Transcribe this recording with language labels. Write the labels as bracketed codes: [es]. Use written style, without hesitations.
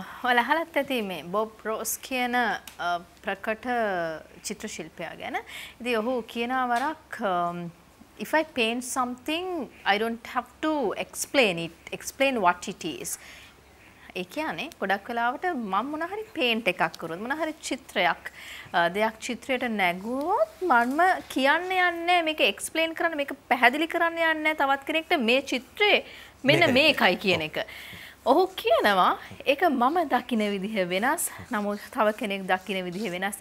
[si] ඔල අහලත් ඇති මේ Bob rose කියන ප්‍රකට චිත්‍ර ශිල්පියා ගැන. ඉතින් ඔහු කියනා වරක් [en] if I paint something I don't have to explain what it is. [si] ඒ කියන්නේ ගොඩක් වෙලාවට මම මොන හරි පේන්ට් එකක් කරොත් මොන හරි චිත්‍රයක් දෙයක් චිත්‍රයට නැගුවොත් මම කියන්න යන්නේ මේක එක්ස්ප්ලেইন කරන්න මේක පැහැදිලි කරන්න යන්නේ තවත් කෙනෙක්ට මේ චිත්‍රයේ මෙන්න මේකයි කියන එක. ඔහු කියනවා ඒක මම දකින විදිහ වෙනස්, නමුත් තව කෙනෙක් දකින විදිහ වෙනස්.